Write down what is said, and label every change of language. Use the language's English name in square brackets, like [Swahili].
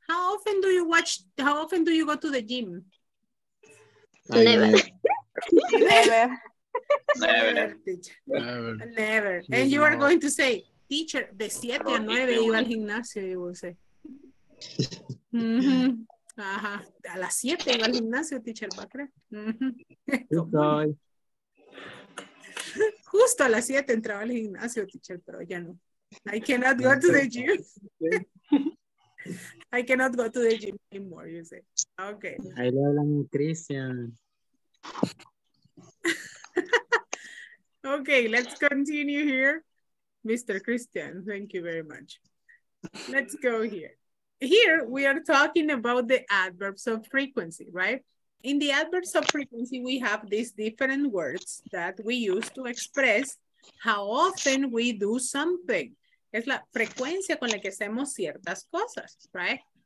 [English] How often do you go to the gym? Never. Never. Never. Never. Never. And you are going to say, teacher, [Spanish] de 7 a 9 iba al gimnasio, [English] you will say. [Spanish] Ajá. A las 7 iba al gimnasio, teacher, ¿va a creer? Justo a las 7 entraba al gimnasio, teacher, pero ya no. [English] I cannot go to the gym. I cannot go to the gym anymore, you say. Okay. [Spanish] Ahí le hablan a Christian. [English] Okay, let's continue here. Mr. Christian, thank you very much. Let's go here. Here, we are talking about the adverbs of frequency, right? In the adverbs of frequency, we have these different words that we use to express how often we do something. [Spanish] Es la frecuencia con la que hacemos ciertas cosas, right?